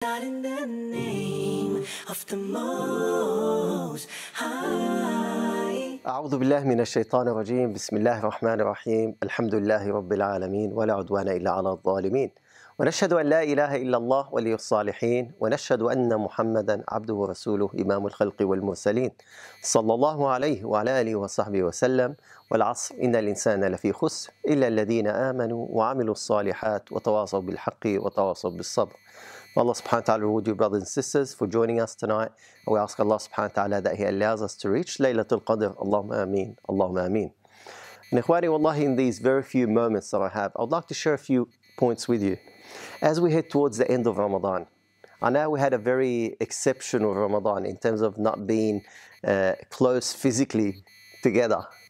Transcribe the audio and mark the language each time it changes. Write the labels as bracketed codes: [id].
[en] Not in the name of the Most High. [ar] أعوذ بالله من الشيطان الرجيم. بسم الله الرحمن الرحيم. الحمد لله رب العالمين ولا عدوان إلا على الظالمين. ونشهد أن لا إله إلا الله ولي الصالحين، ونشهد أن محمدًا عبده ورسوله إمام الخلق والمرسلين، صلى الله عليه وعلى آله وصحبه وسلم. والعصر، إن الإنسان لفي خسر إلا الذين آمنوا وعملوا الصالحات وتواصوا بالحق وتواصوا بالصبر. [en] Allah subhanahu wa ta'ala reward you, brothers and sisters, for joining us tonight. And we ask Allah subhanahu wa ta'ala that He allows us to reach Laylatul Qadr. Allahumma ameen. Allahumma ameen. And ikhwani, wallahi, in these very few moments that I have, I would like to share a few points with you. As we head towards the end of Ramadan, I know we had a very exceptional Ramadan in terms of not being close physically together.